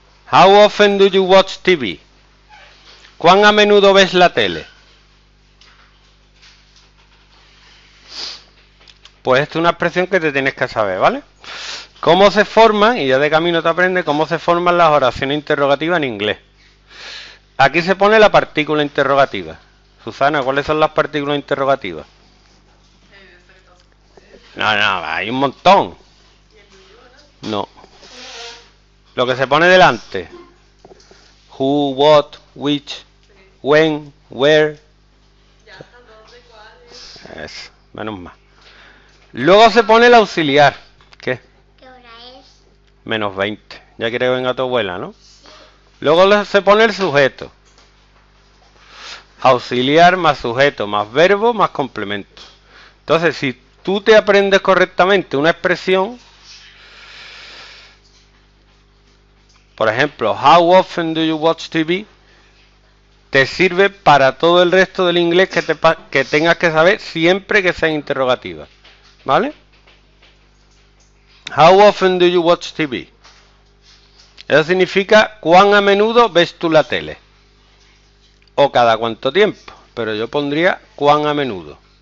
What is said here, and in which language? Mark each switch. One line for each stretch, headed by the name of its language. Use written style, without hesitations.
English: How often do you watch TV?
Spanish: ¿Cuán a menudo ves la tele? Pues esto es una expresión que te tienes que saber, ¿vale? ¿Cómo se forman, y ya de camino te aprendes, cómo se forman las oraciones interrogativas en inglés? Aquí se pone la partícula interrogativa. Susana, ¿cuáles son las partículas interrogativas? No, no, hay un montón. No. Lo que se pone delante.
English: Who, what, which, when, where.
Spanish: Es, menos mal. Luego se pone el auxiliar. ¿Qué? ¿Qué hora es? Menos 20. Ya quiere que venga tu abuela, ¿no? Luego se pone el sujeto. Auxiliar más sujeto, más verbo, más complemento. Entonces, si tú te aprendes correctamente una expresión, por ejemplo,
English: how often do you watch TV,
Spanish: te sirve para todo el resto del inglés que tengas que saber siempre que sea interrogativa. ¿Vale?
English: How often do you watch TV?
Spanish: Eso significa cuán a menudo ves tú la tele. O cada cuánto tiempo. Pero yo pondría cuán a menudo.